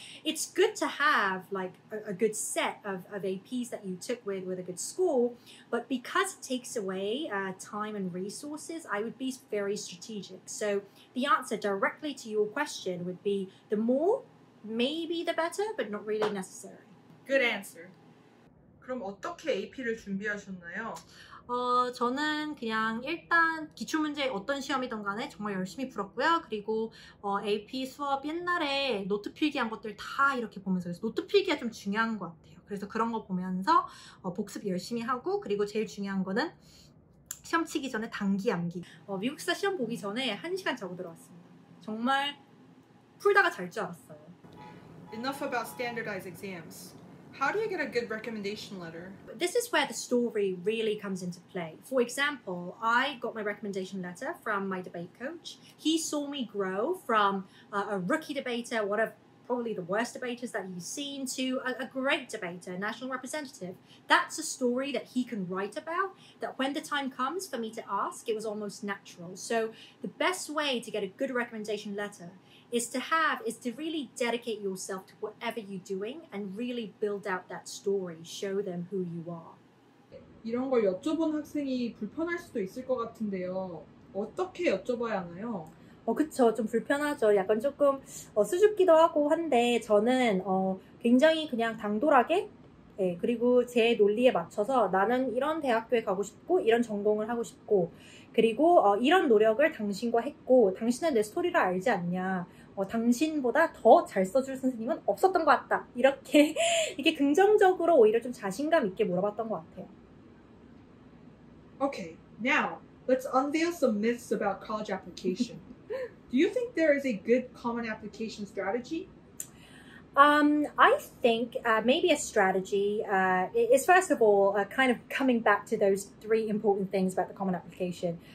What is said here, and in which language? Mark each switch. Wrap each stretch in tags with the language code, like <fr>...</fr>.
<en>It's good to have like a good set of APs that you took with a good score, but because it takes away time and resources, I would be very strategic. So the answer directly to your question would be the more, maybe the better, but not really necessary. Good answer.</en> <ko>그럼 어떻게 AP를 준비하셨나요? 저는 그냥 일단 기출문제 어떤 시험이든 간에 정말 열심히 풀었고요. 그리고 AP 수업 옛날에 노트 필기한 것들 다 이렇게 보면서 그래서 노트 필기가 좀 중요한 것 같아요. 그래서 그런 거 보면서 복습 열심히 하고 그리고 제일 중요한 거는 시험 치기 전에 단기 암기. 미국사 시험 보기 전에 1시간 자고 들어왔습니다. 정말 풀다가 잘 줄 알았어요.</ko> <en>Enough about standardized exams. How do you get a good recommendation letter? This is where the story really comes into play. For example, I got my recommendation letter from my debate coach. He saw me grow from a rookie debater, one of probably the worst debaters that he's seen, to a great debater, a national representative. That's a story that he can write about, that when the time comes for me to ask, it was almost natural. So the best way to get a good recommendation letter is to really dedicate yourself to whatever you're doing and really build out that story, show them who you are.</en> <ko>이런 걸 여쭤본 학생이 불편할 수도 있을 것 같은데요. 어떻게 여쭤봐야 하나요? 그쵸. 좀 불편하죠. 약간 조금 수줍기도 하고 한데 저는 굉장히 그냥 당돌하게 예, 그리고 제 논리에 맞춰서 나는 이런 대학교에 가고 싶고 이런 전공을 하고 싶고 그리고 이런 노력을 당신과 했고 당신은 내 스토리를 알지 않냐 당신보다 더 잘 써줄 선생님은 없었던 것 같다 이렇게 이렇게 긍정적으로 오히려 좀 자신감 있게 물어봤던 것 같아요.</ko> <en>Okay, now let's unveil some myths about college application. Do you think there is a good common application strategy? I think maybe a strategy is, first of all, kind of coming back to those three important things about the common application.</en>